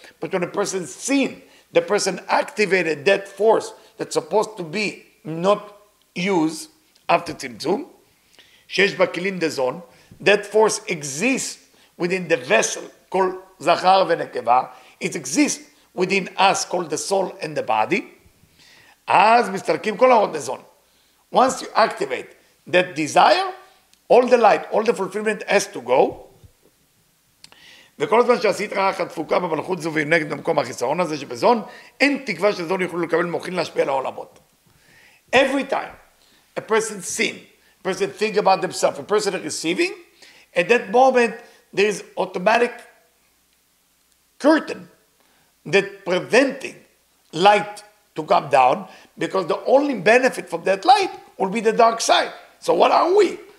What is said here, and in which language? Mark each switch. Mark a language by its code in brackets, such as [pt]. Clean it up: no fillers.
[en] But when a person sin, the person activated that force that's supposed to be not used after Tzimtzum, Shesh Bakilim Dezon, that force exists within the vessel called Zachar Venekeva. It exists within us called the soul and the body. As Mr. Kim Kolahot Dezon, once you activate that desire, all the light, all the fulfillment has to go. [he] וכל הזמן שעשית רעה אחת דפוקה במלכות זו ונגד במקום החיסרון הזה שבזון, אין תקווה שזון יוכלו לקבל מוכין להשפיע לעולמות. [en] Every time a person sin, a person think about themselves, a person receiving, at that moment there is automatic curtain that preventing light to come down, because the only benefit from that light will be the dark side. So what are we?